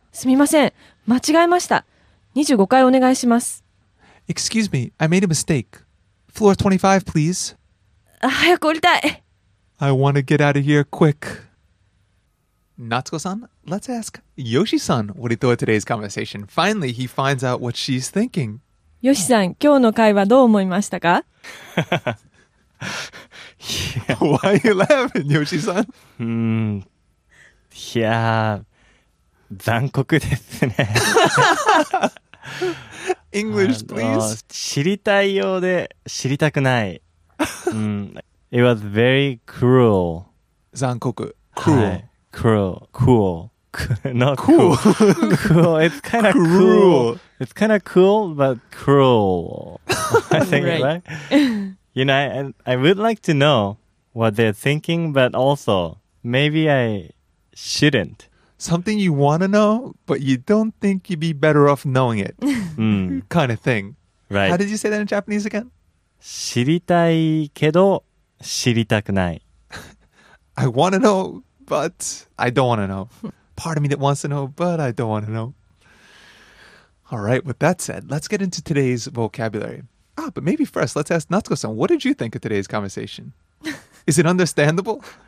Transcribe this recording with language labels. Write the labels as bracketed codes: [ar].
[ja] すみません、間違えました。 25階お願いします。 [en] Excuse me, I made a mistake. Floor 25, please. [ja] 早く降りたい。 [en] I want to get out of here quick. Natsuko-san, let's ask Yoshi-san what he thought of today's conversation. Finally, he finds out what she's thinking. [ja] Yoshi-san, 今日の会話どう思いましたか? [en] Why are you laughing, Yoshi-san? [ja] Yeah, 残酷ですね。 [en] English, please. [ja] 知りたいようで知りたくない。 [en] It was very cruel. [ja] 残酷。Cruel.、はい、 [en] cruel. Cool. Not cool. Cruel. It's kind of cruel. It's kind of cool, but cruel. I think, right? You know, I would like to know what they're thinking, but also, maybe I shouldn't. Something you want to know, but you don't think you'd be better off knowing it. kind of thing. Right. How did you say that in Japanese again? [ja] 知りたいけど知りたくない。 [en] I want to know, but I don't want to know. Part of me that wants to know, but I don't want to know. All right, with that said, let's get into today's vocabulary. Ah, but maybe first, let's ask Natsuko-san, what did you think of today's conversation? Is it understandable?